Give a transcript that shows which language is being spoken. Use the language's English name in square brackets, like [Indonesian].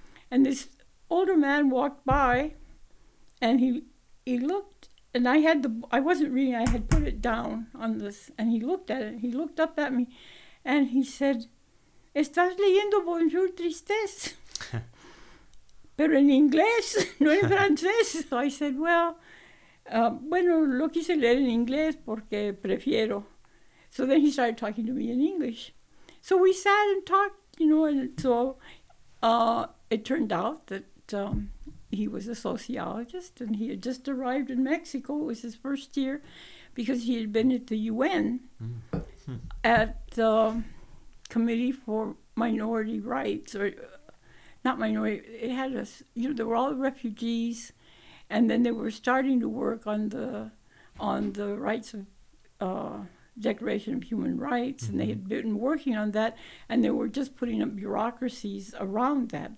[English] And this older man walked by, and he looked, and I wasn't reading, I had put it down on this, and he looked at it, he looked up at me, and he said, [Spanish] ¿Estás leyendo Bonjour Tristesse? Pero en inglés, no en francés. [English] So I said, well, [Spanish] bueno, lo quise leer en inglés porque prefiero. [English] So then he started talking to me in English. So we sat and talked, you know, and so it turned out that he was a sociologist, and he had just arrived in Mexico. It was his first year because he had been at the UN at the Committee for Minority Rights, or not minority, it had us, you know, they were all refugees, and then they were starting to work on the rights of Declaration of Human Rights, and they had been working on that, and they were just putting up bureaucracies around that.